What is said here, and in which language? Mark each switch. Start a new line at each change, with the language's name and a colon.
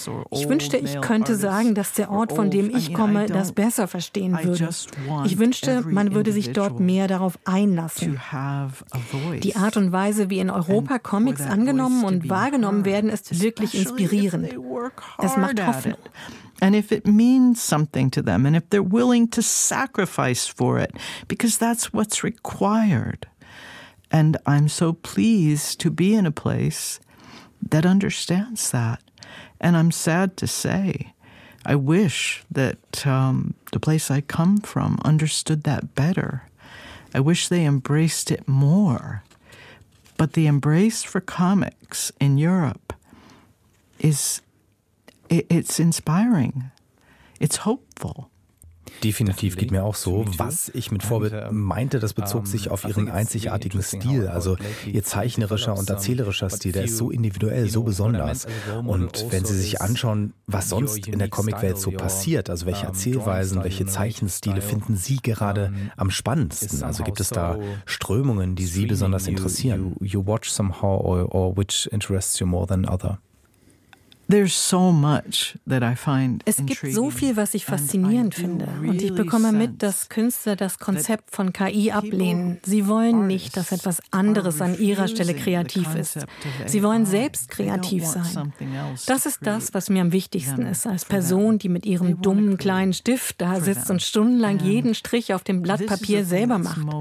German: Ich wünschte, ich könnte sagen, dass der Ort, von dem ich komme, das besser verstehen würde. Ich wünschte, man würde sich dort mehr darauf einlassen. Die Art und Weise, wie in Europa Comics angenommen und wahrgenommen werden, ist wirklich inspirierend. Es macht Hoffnung.
English: And if it means something to them and if they're willing to sacrifice for it, because that's what's required. And I'm so pleased to be in a place that understands that. And I'm sad to say, I wish that the place I come from understood that better. I wish they embraced it more. But the embrace for comics in Europe is, it's inspiring. It's hopeful.
German: Definitiv geht mir auch so. Was ich mit Vorbild meinte, das bezog sich auf ihren einzigartigen Stil, also ihr zeichnerischer und erzählerischer Stil, der ist so individuell, so besonders. Und wenn Sie sich anschauen, was sonst in der Comicwelt so passiert, also welche Erzählweisen, welche Zeichenstile finden Sie gerade am spannendsten? Also gibt es da Strömungen, die Sie besonders interessieren?
English: You watch somehow or which interests you more than other? There's so much that I find
German: Es gibt so viel, was ich faszinierend finde. Und ich bekomme mit, dass Künstler das Konzept von KI ablehnen. Sie wollen nicht, dass etwas anderes an ihrer Stelle kreativ ist. Sie wollen selbst kreativ sein. Das ist das, was mir am wichtigsten ist, als Person, die mit ihrem dummen kleinen Stift da sitzt und stundenlang jeden Strich auf dem Blatt Papier selber macht.